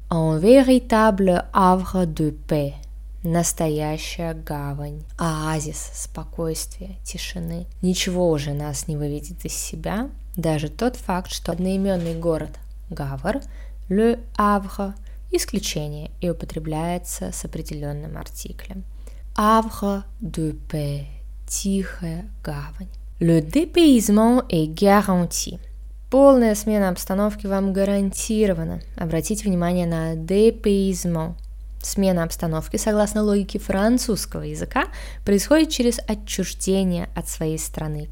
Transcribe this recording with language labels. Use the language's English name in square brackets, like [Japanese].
[French] «Un véritable havre de paix» [Russian] – «настоящая гавань», «оазис», «спокойствие», «тишины». Ничего уже нас не выведет из себя, даже тот факт, что одноименный город Гавр – «Le Havre» – исключение и употребляется с определенным артиклем. [French] «Havre de paix» – [Russian] «тихая гавань». [French] «Le dépaysement est garanti» [Russian] – полная смена обстановки вам гарантирована. Обратите внимание на «dépaysement». Смена обстановки, согласно логике французского языка, происходит через отчуждение от своей страны.